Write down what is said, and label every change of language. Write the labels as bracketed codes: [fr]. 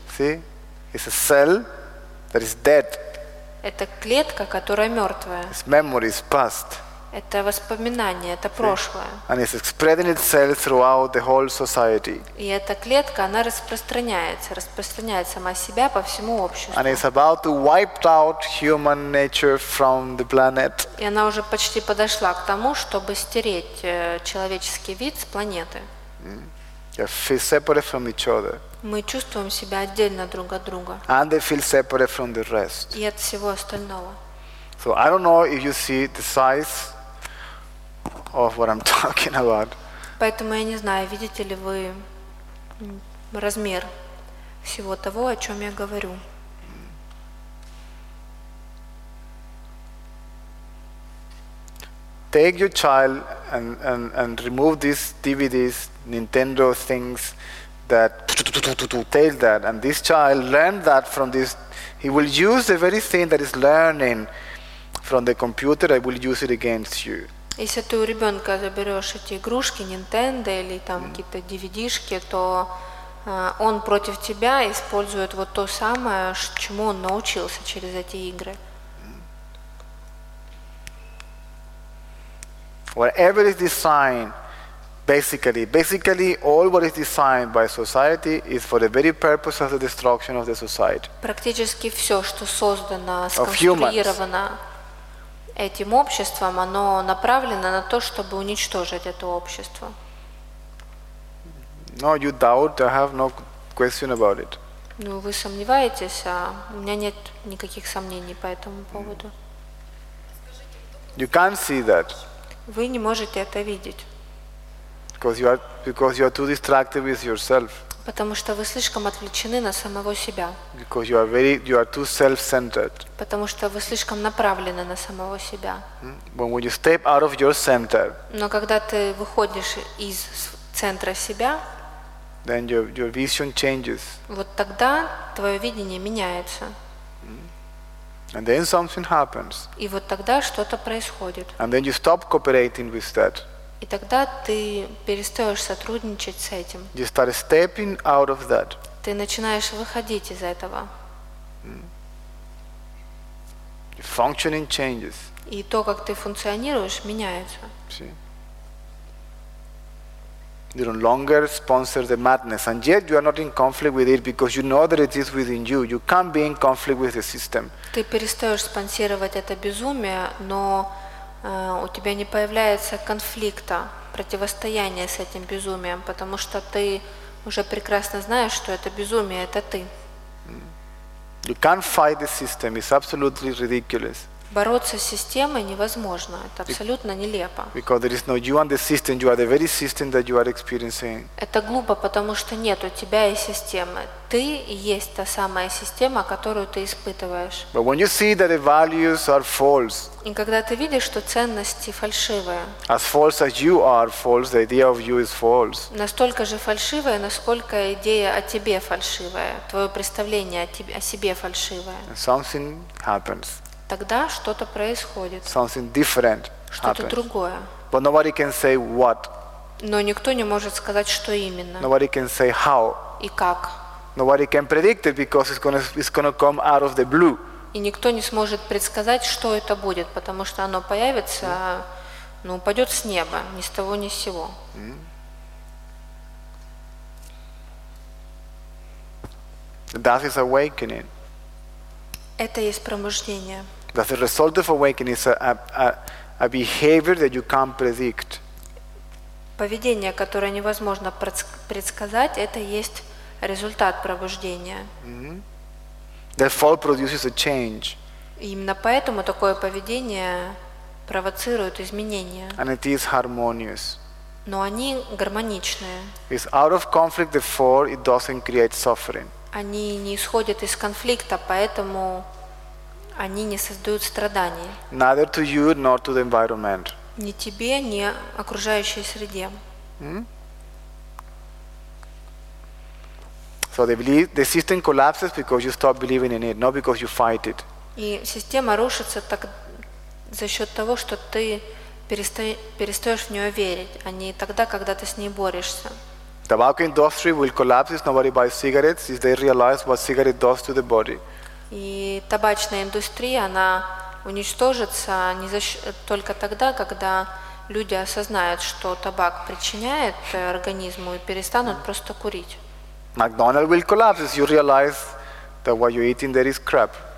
[en] See, it's a cell that is dead. [ru] Это клетка, которая мертвая. [en] It's memory, it's past. [ru] Это воспоминание, это прошлое. [en] And it's spreading itself throughout the whole society. [ru] И эта клетка, она распространяет сама себя по всему обществу. [en] And it's about to wipe out human nature from the planet. [ru] И она уже почти подошла к тому, чтобы стереть человеческий вид с планеты. [en] They feel separate from each other. [ru] Мы чувствуем себя отдельно друг от друга. [en] And they feel separate from the rest. [ru] И от всего остального. [en] So I don't know if you see the size of what I'm talking about. [ru] Поэтому я не знаю, видите ли вы размер всего того, о чем я говорю. [en] Take your child and remove these DVDs, Nintendo things, that tell that, and this child learned that from this. He will use the very thing that is learning from the computer. I will use it against you. [ru] Если ты у ребенка заберешь эти игрушки Nintendo или там какие-то DVD-шки, то он против тебя использует вот то самое, чему он научился через эти игры. [en] Whatever is designed, basically all what is designed by society is for the very purpose of the destruction of the society. [ru] Практически все, что создано, сконструировано этим обществом, оно направлено на то, чтобы уничтожить это общество. [en] No, you doubt, I have no question about it. [ru] Ну, вы сомневаетесь, а у меня нет никаких сомнений по этому поводу. [en] You can't see that. [ru] Вы не можете это видеть. [en] Because you are too distracted with yourself. [ru] Потому что вы слишком отвлечены на самого себя. [en] Because you are too self-centered. [ru] Потому что вы слишком направлены на самого себя. [en] When you step out of your center. [ru] Но когда ты выходишь из центра себя, [en] then your vision changes. [ru] Вот тогда твое видение меняется. [en] And then something happens. [ru] И вот тогда что-то происходит. [en] And then you stop cooperating with that. [ru] И тогда ты перестаешь сотрудничать с этим. [en] You start stepping out of that. [ru] Ты начинаешь выходить из этого. [en] Your functioning changes. [ru] И то, как ты функционируешь, меняется. [en] See? You no longer sponsor the madness, and yet you are not in conflict with it because you know that it is within you. You can't be in conflict with the system. [ru] Ты перестаешь спонсировать это безумие, но у тебя не появляется конфликта, противостояния с этим безумием, потому что ты уже прекрасно знаешь, что это безумие, это ты. [en] You can't fight the system. It's absolutely ridiculous. [ru] Бороться с системой невозможно, это абсолютно нелепо. [en] Because there is no you and the system, you are the very system that you are experiencing. [ru] Это глупо, потому что нет у тебя и системы. Ты и есть та самая система, которую ты испытываешь. [en] But when you see that the values are false. [ru] И когда ты видишь, что ценности фальшивые. [en] As false as you are false, the idea of you is false. [ru] Настолько же фальшивая, насколько идея о тебе фальшивая, твое представление о себе фальшивое. [en] Something happens. [ru] Тогда что-то происходит. [en] Something different happens. [ru] Что-то другое. [en] But nobody can say what. [ru] Но никто не может сказать, что именно. [en] Nobody can say how. [ru] И как. [en] Nobody can predict it because it's gonna come out of the blue. [ru] И никто не сможет предсказать, что это будет, потому что оно появится, ну, упадет с неба, ни с того, ни с сего. [en] That is awakening. [ru] Это есть пробуждение. [en] That the result of awakening is a behavior that you can't predict. [ru] Поведение, которое невозможно предсказать, это есть результат пробуждения. [en] The fall produces a change. [ru] Именно поэтому такое поведение провоцирует изменения. [en] And it is harmonious. [ru] Но они гармоничные. [en] It's out of conflict, the fall, it doesn't create suffering. [ru] Они не исходят из конфликта, поэтому они не создают страданий. [en] Neither to you nor to the environment. [ru] Ни тебе, ни окружающей среде. [en] So the system collapses because you stop believing in it, not because you fight it. [ru] И система рушится так за счет того, что ты перестаешь в нее верить, а не тогда, когда ты с ней борешься. [en] Tobacco industry will collapse if nobody buys cigarettes if they realize what cigarette does to the body. [ru] И табачная индустрия, она уничтожится не за счет, только тогда, когда люди осознают, что табак причиняет организму, и перестанут просто курить. [en] McDonald's will collapse if you realize that what you're eating there is crap.